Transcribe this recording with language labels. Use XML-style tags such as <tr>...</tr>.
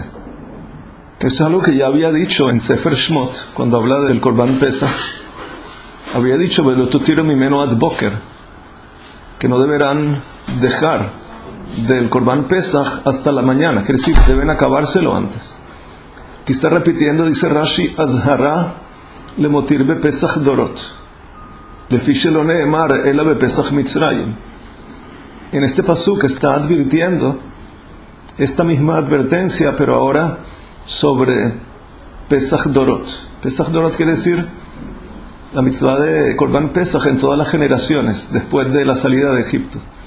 <es>Esto es algo que ya había dicho en Sefer Shmot, cuando habla del Korban Pesach. Había dicho,</es> <he>velo tu tiro mi meno ad boker,</he> <es>que no deberán dejar del Korban Pesach hasta la mañana. Quiere decir, deben acabárselo antes. Aquí está repitiendo, dice Rashi,</es> <he>azhara למותיר בפסח דורות לפי שלא נאמר אלא בפסח מצרים.</he> <es>En este pasuk está advirtiendo esta misma advertencia, pero ahora sobre Pesach Dorot. Pesach Dorot quiere decir la mitzvah de Korban Pesach en todas las generaciones después de la salida de Egipto.</es>